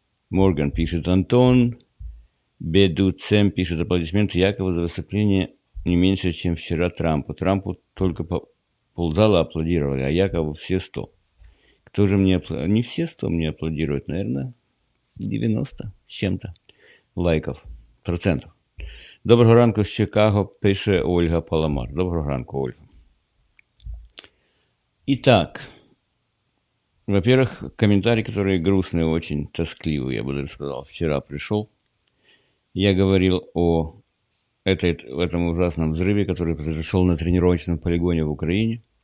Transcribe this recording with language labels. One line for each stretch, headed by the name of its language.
Russian: Морган пишет, Антон, Бедуцем пишет, аплодисменты Якова за выступление не меньше, чем вчера Трампу. Трампу только ползала аплодировали, а Якову все 100. Кто же мне аплодирует? Не все 100 мне аплодируют, наверное, 90 с чем-то лайков, процентов.
Ukrainian: Доброго ранку з Чикаго, пише Ольга Паламар. Доброго ранку, Ольга.
Russian: Итак, во-первых, комментарий, который грустный, очень тоскливый, я бы даже сказал, вчера пришел. Я говорил о этом ужасном взрыве, который произошел на тренировочном полигоне в Украине.